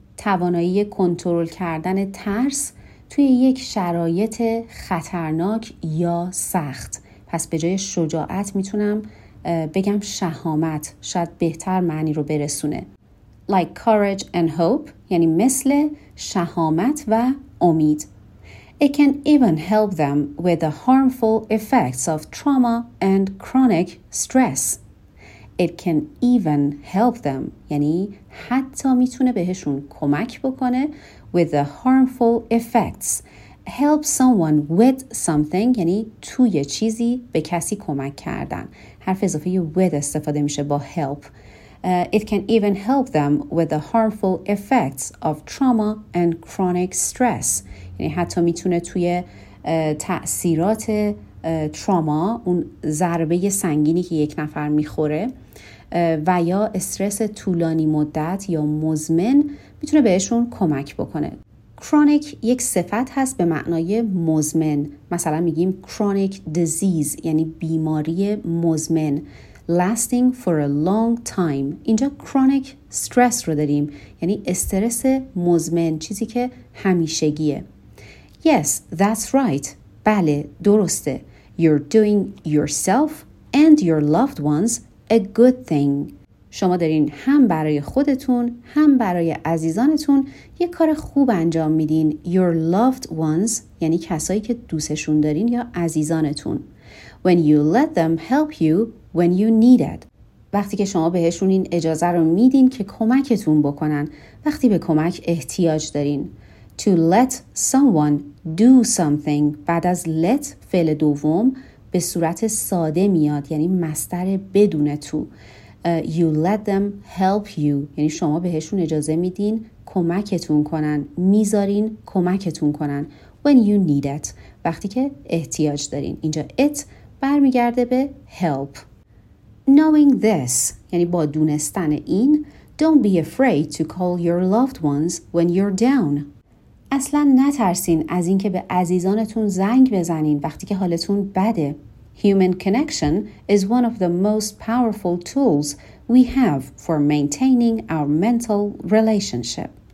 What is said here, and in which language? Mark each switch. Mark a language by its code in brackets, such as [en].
[fa] توانایی کنترل کردن ترس توی یک شرایط خطرناک یا سخت. پس به جای شجاعت میتونم بگم شهامت، شاید بهتر معنی رو برسونه. [en] Like courage and hope [fa] یعنی مثل شهامت و امید. [en] It can even help them with the harmful effects of trauma and chronic stress. It can even help them [fa] یعنی حتی میتونه بهشون کمک بکنه [en] with the harmful effects. Help someone with something [fa] یعنی توی چیزی به کسی کمک کردن. حرف اضافه with استفاده میشه با help. [en] It can even help them with the harmful effects of trauma and chronic stress. [fa] یعنی حتی میتونه توی تأثیرات تروما، اون ضربه سنگینی که یک نفر میخوره و یا استرس طولانی مدت یا مزمن، میتونه بهشون کمک بکنه. Chronic یک صفت هست به معنای مزمن. مثلا میگیم [en] chronic disease [fa] یعنی بیماری مزمن. [en] Lasting for a long time. [fa] اینجا chronic stress رو داریم. یعنی استرس مزمن، چیزی که همیشگیه. [en] Yes, that's right. [fa] بله، درسته. [en] You're doing yourself and your loved ones a good thing. [fa] شما دارین هم برای خودتون هم برای عزیزانتون یه کار خوب انجام میدین. [en] Your loved ones [fa] یعنی کسایی که دوستشون دارین یا عزیزانتون. [en] When you let them help you when you need it. [fa] وقتی که شما بهشون این اجازه رو میدین که کمکتون بکنن وقتی به کمک احتیاج دارین. [en] To let someone do something. [fa] بعد از let فعل دوم به صورت ساده میاد، یعنی مصدر بدون تو. [en] You let them help you [fa] یعنی شما بهشون اجازه میدین کمکتون کنن، میذارین کمکتون کنن. [en] When you need it [fa] وقتی که احتیاج دارین. اینجا it برمیگرده به help. [en] Knowing this [fa] یعنی با دونستن این، [en] Don't be afraid to call your loved ones when you're down. [fa] اصلا نترسین از اینکه به عزیزانتون زنگ بزنین وقتی که حالتون بده. [en] Human connection is one of the most powerful tools we have for maintaining our mental relationship.